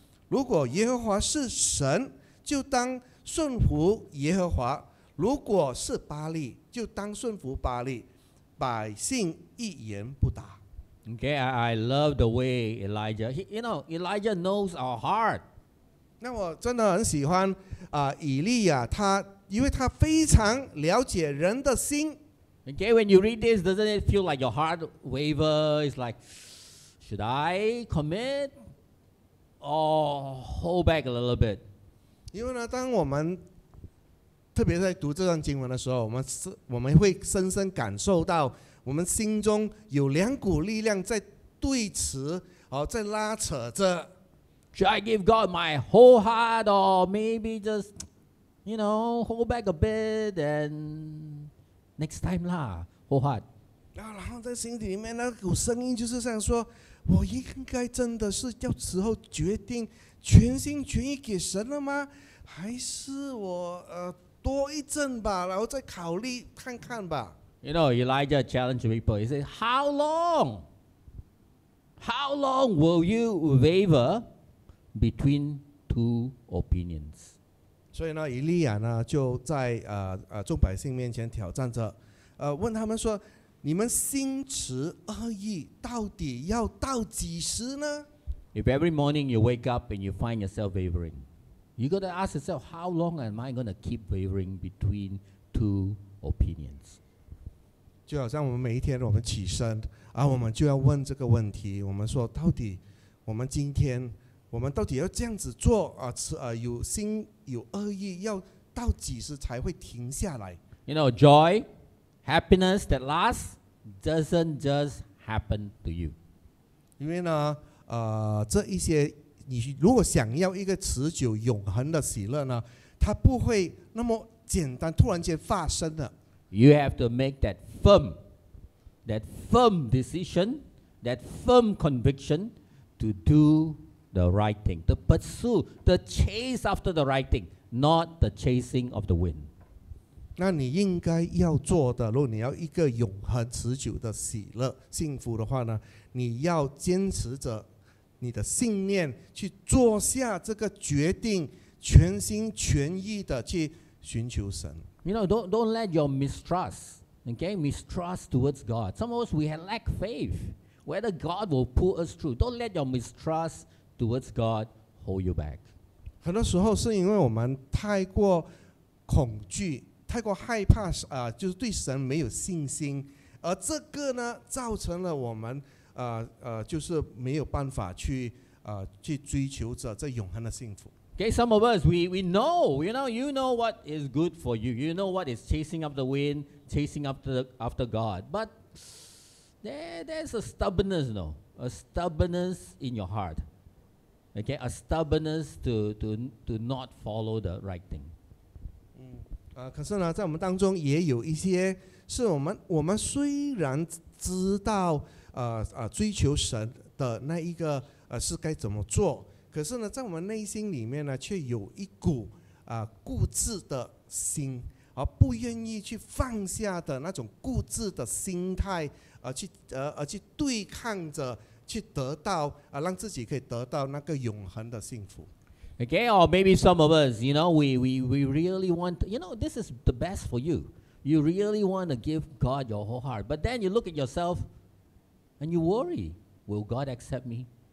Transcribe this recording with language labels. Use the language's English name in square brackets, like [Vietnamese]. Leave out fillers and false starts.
[Chinese] 如果耶和华是神，就当顺服耶和华；如果是巴利，就当顺服巴利。百姓一言不答。 [English] Okay, I love the way Elijah. You know, Elijah knows our heart. [Chinese] 那我真的很喜欢啊，以利亚他，因为他非常了解人的心。 [English] Okay, when you read this, doesn't it feel like your heart waver? It's like, should I commit or hold back a little bit? [Chinese] 因为呢，当我们特别在读这段经文的时候，我们会深深感受到，我们心中有两股力量在对持，在拉扯着。 [English] Should I give God my whole heart, or maybe just, you know, hold back a bit and next time lah, whole heart? [Chinese] 然后在心底里面那股声音就是想说，我应该真的是要时候决定全心全意给神了吗？还是我多一阵吧，然后再考虑看看吧。 [English] You know, Elijah challenged people. He said, "How long? How long will you waver between two opinions?" [Chinese] 所以呢，以利亚呢就在众百姓面前挑战着，问他们说：“你们心持恶意，到底要到几时呢？” [English] If every morning you wake up and you find yourself wavering, you got to ask yourself, "How long am I going to keep wavering between two opinions?" [Chinese] 就好像我们每一天我们起身，我们就要问这个问题，我们说到底我们今天我们到底要这样子做，有心有恶意要到几时才会停下来。 [English] You know, joy, happiness that lasts doesn't just happen to you. [Chinese] 因为呢，这一些你如果想要一个持久永恒的喜乐呢，它不会那么简单突然间发生的。 [English] You have to make that firm decision, that firm conviction to do the right thing, to pursue, to chase after the right thing, not the chasing of the wind. [Chinese] 那你应该要做的，如果你要一个永恒持久的喜乐、幸福的话呢，你要坚持着你的信念去做下这个决定，全心全意的去寻求神。 [English] You know, don't let your mistrust, okay, mistrust towards God. Some of us, we have lack faith, whether God will pull us through. Don't let your mistrust towards God hold you back. [Chinese] 很多时候是因为我们太过恐惧，太过害怕，就是对神没有信心，而这个呢，造成了我们，就是没有办法去追求着这永恒的幸福。 [English] Okay, some of us, we know, you know what is good for you. You know what is chasing up the wind, chasing after God. But there's a stubbornness, no? A stubbornness in your heart. Okay, a stubbornness to not follow the right thing. [Chinese] 可是呢，在我们当中也有一些是我们虽然知道追求神的那一个是该怎么做。可是呢，在我们内心里面呢，却有一股固执的心，而不愿意去放下的那种固执的心态，而去对抗着，去得到让自己可以得到那个永恒的幸福。 [English] Okay, or maybe some of us, you know, we really want, you know, this is the best for you. You really want to give God your whole heart, but then you look at yourself, and you worry, will God accept me?